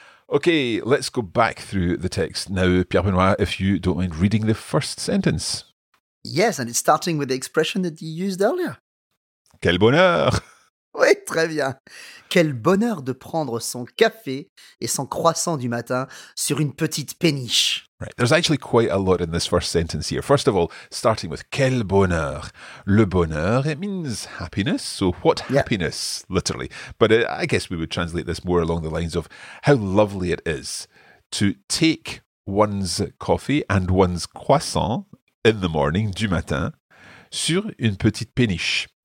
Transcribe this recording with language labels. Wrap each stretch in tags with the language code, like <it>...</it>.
<en>Okay, let's go back through the text now, Pierre-Benoît, if you don't mind reading the first sentence. Yes, and it's starting with the expression that you used earlier.</en> <fr>Quel bonheur! Oui, très bien. Quel bonheur de prendre son café et son croissant du matin sur une petite péniche.</fr> <en>Right. There's actually quite a lot in this first sentence here. First of all, starting with quel bonheur. Le bonheur, it means happiness. So what happiness, literally. But I guess we would translate this more along the lines of how lovely it is to take one's coffee and one's croissant in the morning,</en> <fr>du matin, sur une petite péniche.</fr>